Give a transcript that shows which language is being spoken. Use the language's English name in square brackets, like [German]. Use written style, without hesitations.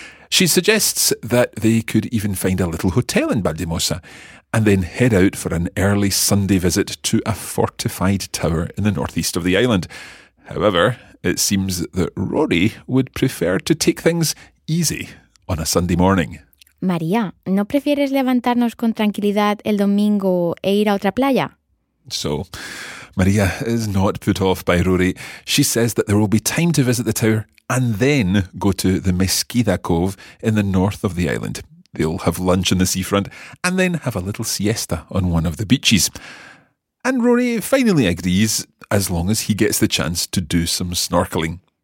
[English] She suggests that they could even find a little hotel in Valldemossa and then head out for an early Sunday visit to a fortified tower in the northeast of the island. However, it seems that Rory would prefer to take things easy on a Sunday morning. [Spanish] María, ¿no prefieres levantarnos con tranquilidad el domingo e ir a otra playa? [English] So, María is not put off by Rory. She says that there will be time to visit the tower and then go to the Mesquita Cove in the north of the island. They'll have lunch on the seafront and then have a little siesta on one of the beaches. And Rory finally agrees, as long as he gets the chance to do some snorkeling.